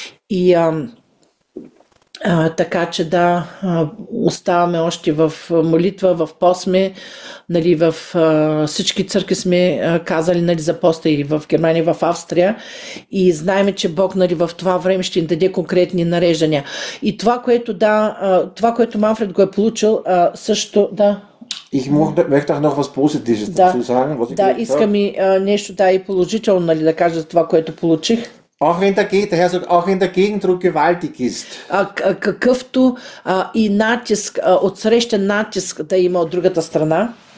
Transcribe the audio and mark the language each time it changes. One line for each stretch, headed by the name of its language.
Bulgarian: И така че да, оставаме още в молитва, в постме, нали, в всички църкви сме казали, нали, за поста и в Германия, и в Австрия, и знаем, че Бог, нали, в това време ще ни даде конкретни нареждания. И това, което да, това, което Манфред го е получил, също да.
German: Ich möchte auch noch was Positives dazu sagen, was ich.
Bulgarian: Да, искам и нещо, да, и положително, нали, да кажа за това, което получих.
German: Auch wenn der Herr sagt, auch wenn der Gegendruck gewaltig ist.
Bulgarian: Какъвто и натиск, отсрещен натиск да има от другата страна.